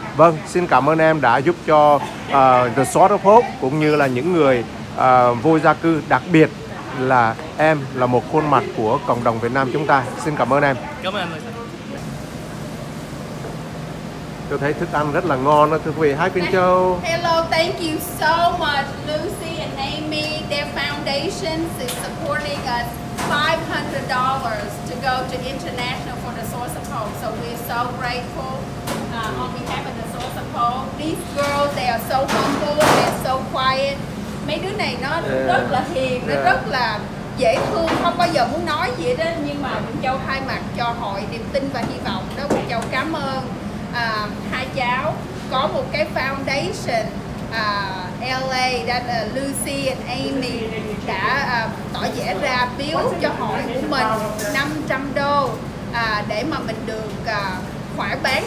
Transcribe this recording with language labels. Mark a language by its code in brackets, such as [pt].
[vi] Vâng, xin cảm ơn em đã giúp cho The Sword of Hope cũng như là những người vô gia cư, đặc biệt là em là một khuôn mặt của cộng đồng Việt Nam chúng ta. Xin cảm ơn em. Cảm ơn. Tôi thấy thức ăn rất là ngon đó, thưa quý vị. [en] Hi, Quỳnh Châu. Hello, thank you so much, Lucy and Amy. Their foundation is supporting us $500 to go to international for the Source of Hope. So we're so grateful on behalf of the Source of Hope. These girls, they are so humble, they're so quiet. [vi] Mấy đứa này nó rất là hiền, nó rất là dễ thương, không bao giờ muốn nói gì đó. Nhưng mà Quỳnh Châu thay mặt cho hội niềm tin và hy vọng đó. Quỳnh Châu cảm ơn hai cháu có một cái foundation LA that Lucy and Amy đã tỏ vẻ ra biếu cho hội của mình $500 để mà mình được khoảng bán.